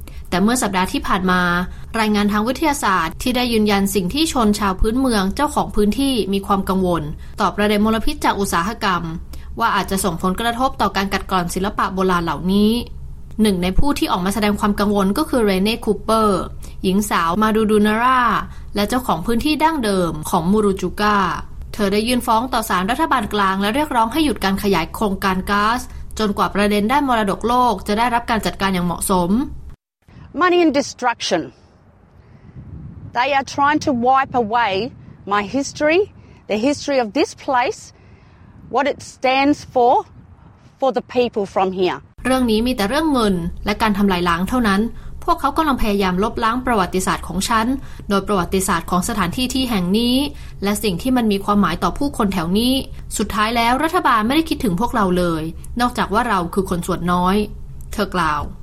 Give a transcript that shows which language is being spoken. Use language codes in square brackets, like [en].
[th] แต่เมื่อสัปดาห์ที่ผ่านมารายงานทางวิทยาศาสตร์ที่ได้ยืนยันสิ่งที่ชนชาวพื้นเมืองเจ้าของพื้นที่มีความกังวลต่อประเด็นมลพิษจากอุตสาหกรรมว่าอาจจะส่งผลกระทบต่อการกัดกร่อนศิลปะโบราณเหล่านี้หนึ่งในผู้ที่ออกมาแสดงความกังวลก็คือเรเน่คูเปอร์หญิงสาวมาดูดูนาร่าและเจ้าของพื้นที่ดั้งเดิมของมูรูจูก้าเธอได้ยื่นฟ้องต่อศาลรัฐบาลกลางและเรียกร้องให้หยุดการขยายโครงการก๊าซจนกว่าประเด็นด้านมรดกโลกจะได้รับการจัดการอย่างเหมาะสม [en] Money and destruction. They are trying to wipe away my history, the history of this place, what it stands for the people from here. [th] เรื่องนี้มีแต่เรื่องเงินและการทำลายล้างเท่านั้นพวกเขากำลังพยายามลบล้างประวัติศาสตร์ของฉันโดยประวัติศาสตร์ของสถานที่ที่แห่งนี้และสิ่งที่มันมีความหมายต่อผู้คนแถวนี้สุดท้ายแล้วรัฐบาลไม่ได้คิดถึงพวกเราเลยนอกจากว่าเราคือคนส่วนน้อยเธอกล่าว